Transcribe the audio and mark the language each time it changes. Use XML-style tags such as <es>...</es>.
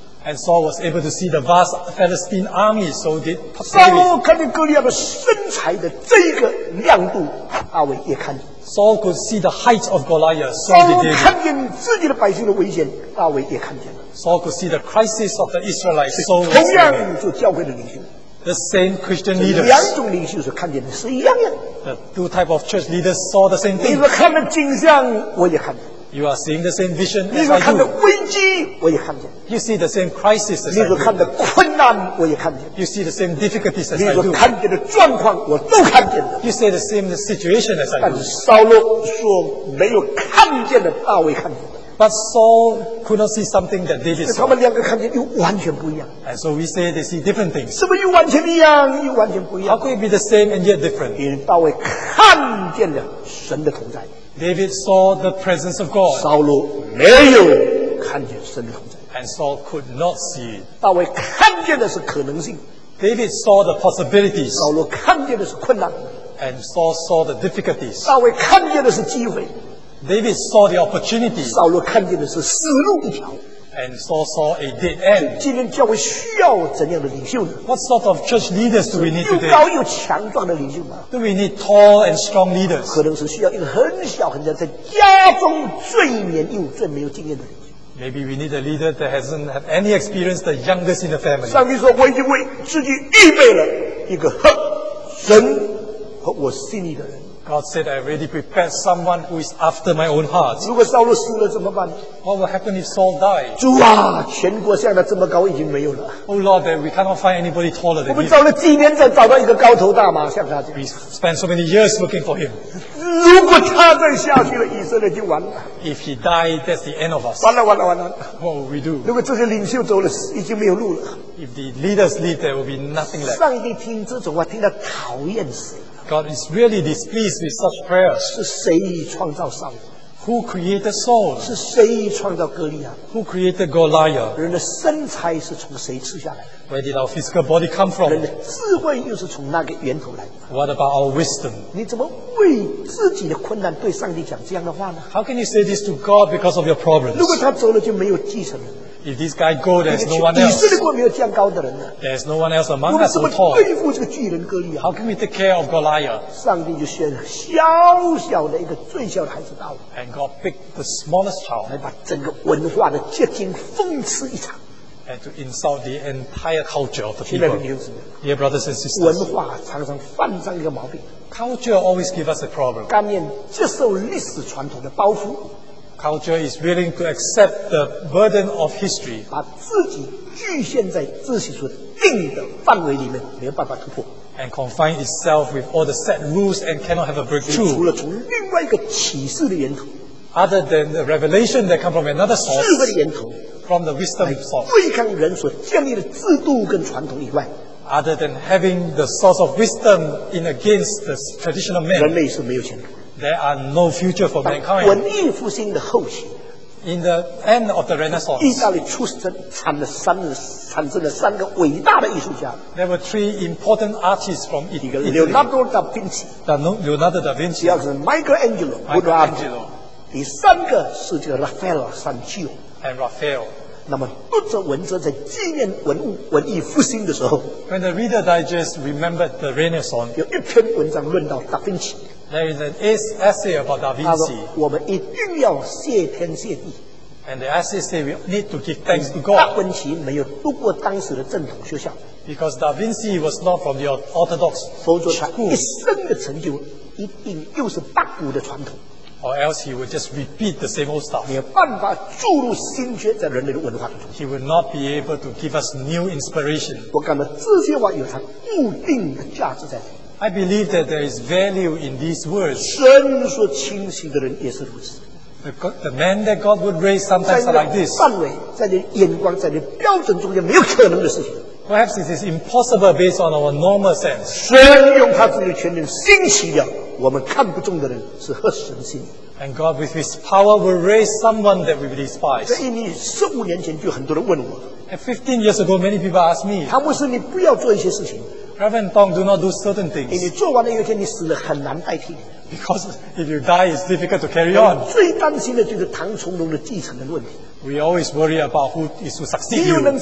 <en>And Saul was able to see the vast Philistine army, so did David.</en> <zh>扫罗看见哥利亚的身材的这一个亮度，大卫也看见。</zh> <en>Saul could see the height of Goliath, so did David. 扫罗</en> <zh>看见自己的百姓的危险，大卫也看见了。</zh> <en>Saul could see the crisis of the Israelites, so did David.</en> <zh>同样做教会的领袖。</zh> <en>The same Christian leaders.</en> <zh>两种领袖所看见的是一样的。</zh> <en>The two type of church leaders saw the same thing.</en> <zh>你所看的景象，我也看见。</zh> <en>You are seeing the same vision as I do.</en> <zh>你所看的危机，我也看见。</zh> <en>You see the same crisis as I do.</en> <zh>你所看的困难，我也看见。</zh> <en>You see the same difficulties as I do.</en> <zh>你所看见的状况，我都看见了。</zh> <en>You see the same situation as I do.</en> <zh>但是扫罗说没有看见的，大卫看见。</zh> <en>But Saul could not see something that David saw.</en> <zh>他们两个看见又完全不一样。</zh> <en>And so we say they see different things.</en> <zh>是不是又完全一样，又完全不一样？</zh> <en>How could it be the same and yet different?</en> <zh>因为大卫看见了神的同在。</zh> <en>David saw the presence of God.</en> <zh>扫罗没有看见神的同在。</zh> <en>And Saul could not see it.</en> <zh>大卫看见的是可能性。</zh> <en>David saw the possibilities.</en> <zh>扫罗看见的是困难。</zh> <en>And Saul saw the difficulties.</en> <zh>大卫看见的是机会。</zh> <en>David saw the opportunity.</en> <zh>扫罗看见的是死路一条。</zh> <en>And Saul saw a dead end.</en> <zh>今天教会需要怎样的领袖呢？</zh> <en>What sort of church leaders do we need today?</en> <zh>又高又强壮的领袖吗？</zh> <en>Do we need tall and strong leaders?</en> <zh>可能是需要一个很小很小在家中最年幼最没有经验的领袖。</zh> <en>Maybe we need a leader that hasn't had any experience, the youngest in the family.</en> <zh>上帝说我已经为自己预备了一个合神和我心意的人。</zh> <en>God said, I already prepared someone who is after my own heart.</en> <zh>如果扫罗死了怎么办？</zh> <en>What will happen if Saul died?</en> <zh>主啊，全国像他这么高已经没有了。</zh> <en>Oh Lord, we cannot find anybody taller than him.</en> <zh>我们找了几年才找到一个高头大马像他这样。</zh> <en>We spent so many years looking for him.</en> <zh>如果他再下去了，以色列就完了。</zh> <en>If he died, that's the end of us.</en> <zh>完了完了完了。</zh> <en>What will we do?</en> <zh>如果这些领袖走了，已经没有路了。</zh> <en>If the leaders leave, there will be nothing left.</en> <zh>上帝听这种话，听得讨厌死。</zh> <en>God is really displeased with such prayers.</en> <zh>是谁创造扫罗？</zh> <en>Who created Saul?</en> <zh>是谁创造哥利亚？</zh> <en>Who created Goliath?</en> <zh>人的身材是从谁吃下来的？</zh> <en>Where did our physical body come from?</en> <zh>人的智慧又是从那个源头来的？</zh> <en>What about our wisdom?</en> <zh>你怎么为自己的困难对上帝讲这样的话呢？</zh> <en>How can you say this to God because of your problems?</en> <zh>如果他走了就没有继承人。</zh> <en>If this guy go, there's no one else.</en> <zh>以色列国没有这样高的人呢。</zh> <en>There's no one else among us so tall.</en> <zh>对付这个巨人哥利亚。</zh> <en>How can we take care of Goliath?</en> <zh>上帝就选小小的一个最小的孩子到。</zh> <en>And God picked the smallest child.</en> <zh>来把整个文化的结晶讽刺一场。</zh> <en>And to insult the entire culture of the people.</en> <zh>亲爱的弟兄姊妹。</zh> <en>Dear brothers and sisters.</en> <zh>文化常常犯上一个毛病。</zh> <en>Culture always give us a problem.</en> <zh>甘愿接受历史传统的包袱。</zh> <en>Culture is willing to accept the burden of history.</en> <zh>把自己局限在自己所定的范围里面，没有办法突破。</zh> <en>And confine itself with all the set rules and cannot have a breakthrough.</en> <zh>除了从另外一个启示的源头。</zh> <en>Other than the revelation that come from another source.</en> <zh>智慧的源头。</zh> <en>From the wisdom source.</en> <zh>对抗人所建立的制度跟传统以外。</zh> <en>Other than having the source of wisdom in against the traditional man.</en> <zh>人类是没有前途。</zh> <en>There are no future for mankind.</en> <zh>文艺复兴的后期</zh> <en>，in the end of the Renaissance,</en> <zh>意大利出生产生了三个伟大的艺术家。</zh> <en>There were three important artists from Italy. Leonardo da Vinci. Leonardo da Vinci.</en> <zh>第二是 Michelangelo.</zh> <en>Michelangelo.</en> <zh>第三个是叫 Raphael Sanzio.</zh> <en>And Raphael.</en> <zh>那么读者文字在纪念文物文艺复兴的时候</zh> <en>，when the Reader Digest remembered the Renaissance,</en> <zh>有一篇文章论到达芬奇。</zh> <en>There is an essay about Da Vinci.</en> <zh>我们一定要谢天谢地。</zh> <en>And the essay says we need to give thanks to God.</en> <zh>达芬奇没有读过当时的正统学校。</zh> <en>Because Da Vinci was not from the orthodox school.</en> <zh>否则他一生的成就一定又是八股的传统。</zh> <en>Or else he would just repeat the same old stuff.</en> <zh>没有办法注入新血在人类的文化当中。</zh> <en>He would not be able to give us new inspiration.</en> <zh>我感到这些话有它固定的价值在。</zh> <en>I believe that there is value in these words.</en> <zh>神所清醒的人也是如此。</zh> <en>The man that God would raise sometimes are like this.</en> <zh>在你的范围, 在你的眼光, 在你的标准中间, 没有可能的事情。</zh> <en>Perhaps it is impossible based on our normal sense.</en> <zh>神用他自己的权力, 兴起了, 我们看不中的人是合神心。</zh> <en>And God with his power will raise someone that we despise.</en> <zh>所以你15年前就很多人问我,</zh> <en>And 15 years ago, many people asked me,</en> <zh>唐牧师,你不要做一些事情。</zh> <en>Reverend Tong, do not do certain things.</en> <zh>你做完了有一天你死了很难代替。</zh> <en>Because if you die, it's difficult to carry on.</en> <zh>最担心的就是唐崇荣的继承的问题。</zh> <en>We always worry about who is to succeed you.</en>